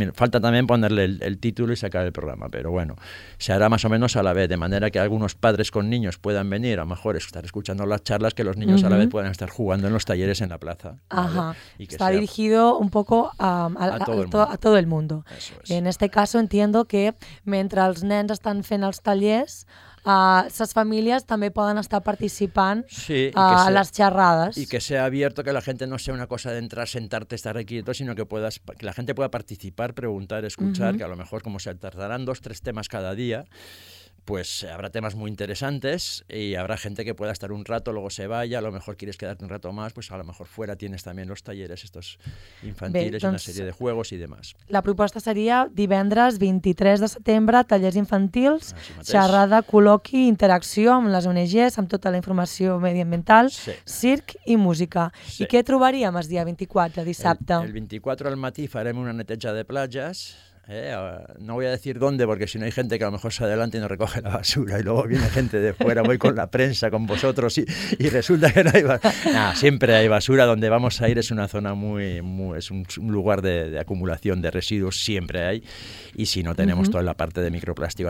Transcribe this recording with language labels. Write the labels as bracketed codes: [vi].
[es] Falta también ponerle el título y sacar el programa, pero bueno, se hará más o menos a la vez, de manera que algunos padres con niños puedan venir, a lo mejor estar escuchando las charlas, que los niños a la vez puedan estar jugando en los talleres en la plaza. Ajá. ¿Vale? Y que está dirigido un poco a todo el mundo. Es. En este caso entiendo que mientras los [ca] nens están fent els tallers, les famílies també poden estar participant a les xerrades. [es] I que sea abierto, que la gente no sea una cosa de entrar, sentarte, estar quieto, sino que puedas, que la gente pueda participar, preguntar, escuchar, que a lo mejor, como se tardarán 2-3 temas cada día, pues habrá temas muy interesantes y habrá gente que pueda estar un rato, luego se vaya, a lo mejor quieres quedarte un rato más, pues a lo mejor fuera tienes también los talleres estos infantiles, una serie de juegos y demás. [ca] La proposta seria divendres 23 de setembre, tallers infantils, xerrada, col·loqui, interacció amb les ONGs, amb tota la informació mediambiental, circ i música. Sí. I què trobaríem el dia 24, dissabte? El 24 al matí farem una neteja de platges. [es] No voy a decir dónde, porque si no hay gente que a lo mejor se adelanta y no recoge la basura y luego viene gente de fuera, voy con la prensa, con vosotros y resulta que no hay basura. Nah, siempre hay basura. Donde vamos a ir es una zona es un lugar de acumulación de residuos, siempre hay, y si no tenemos toda la parte de microplástico.